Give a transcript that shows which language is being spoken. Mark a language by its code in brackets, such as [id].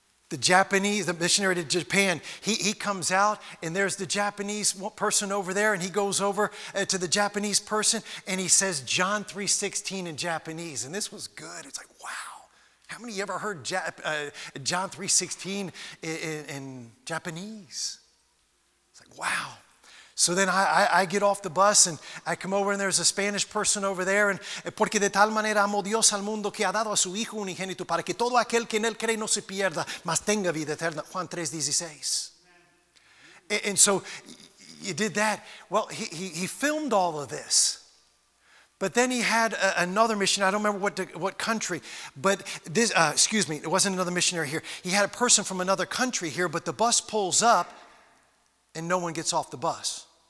[en] The Japanese, the missionary to Japan, he comes out and there's the Japanese person over there, and he goes over to the Japanese person and he says John 3:16 in Japanese. And this was good. It's like, wow, how many of you ever heard John 3:16 in Japanese? It's like, wow. So then I get off the bus and I come over and there's a Spanish person over there. [es] And porque de tal manera amó Dios al mundo que ha dado a su hijo unigénito para que todo aquel que en él cree no se pierda, mas tenga vida eterna. [en] Juan 3:16. And so you did that. Well, he filmed all of this. But then he had another missionary. I don't remember what country, but this, excuse me, it wasn't another missionary here. He had a person from another country here, but the bus pulls up and no one gets off the bus.